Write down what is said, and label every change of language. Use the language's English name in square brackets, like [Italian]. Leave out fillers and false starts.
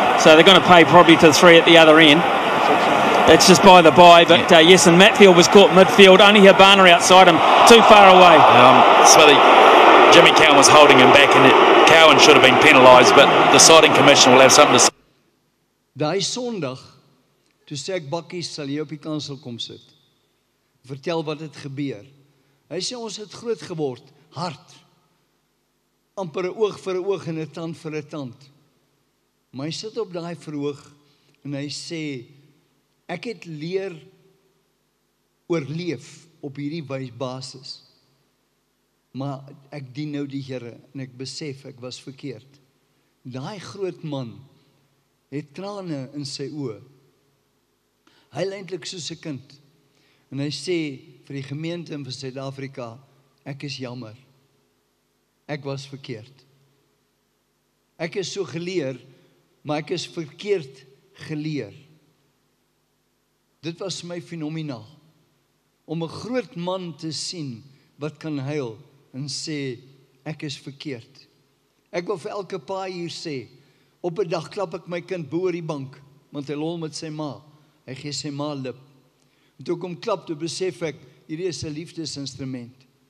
[English] So they're going to pay probably to the three at the other end. That's just by the by. But yeah. Yes, and Matfield was caught midfield. Only Habana outside him. Too far away. Jimmy Cowan was holding him back, and Cowan should have been penalised. But the siding commission will have something to say. [Afrikaans] Daai Sondag, toe sê ek Bakkies, sal jy op die kansel kom sit. Vertel wat het gebeur. Hy sê, ons het groot geword, hard. Amper een oog vir een oog en een tand vir een tand. Maar hy sit op die verhoog en hy sê, ek het leer oorleef op hierdie basis. Maar ek dien nou die Here en ek besef, ek was verkeerd. Die groot man het trane in sy oë. Hy lyk eintlik soos 'n kind. En hy sê vir die gemeente in Suid-Afrika, ek is jammer, ek was verkeerd. Ek is so geleer, maar ek is verkeerd geleer. Dit was my fenomenaal, om een groot man te zien wat kan huil en sê, ek is verkeerd. Ek wil vir elke pa hier sê, op een dag klap ek my kind boor die bank, want hy lol met sy ma, hy gee sy ma lip. En toe ek hom klap, toe besef ek, hier is een liefdesinstrument.